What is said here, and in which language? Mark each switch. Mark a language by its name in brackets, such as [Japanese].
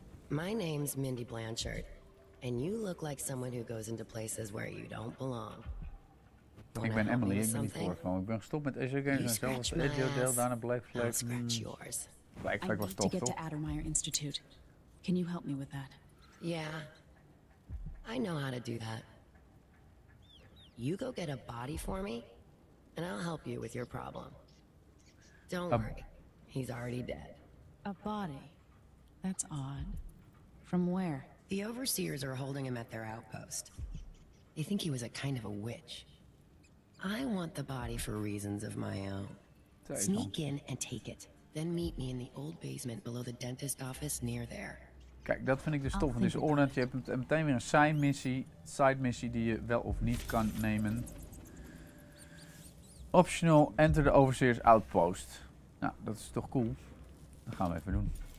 [English] My name's Mindy Blanchard, and you look like someone who goes into places where you don't belong. [Dutch] Ik ben Emily, ik ben niet voorgekomen. Ik ben gestopt met Azure Games en zelfs Edgeo deel daarna Black Flag. Black Flag was tof, toch? [English] To Attermeyer Institute. Can you help me with that? Yeah. I know how to do that. You go get a body for me, and I'll help you with your problem. Don't worry, he's already dead. A body? That's odd. From where? The overseers are holding him at their outpost. They think he was a kind of a witch. I want the body for reasons of my own. Sneak in and take it. Then meet me in the old basement below the dentist office near there. [Dutch] Kijk, dat vind ik dus tof van deze Ornette. Je hebt meteen weer een side missie die je wel of niet kan nemen. [English] Optional, enter the overseer's outpost. [Dutch] Nou, dat is toch cool. Dat gaan we even doen.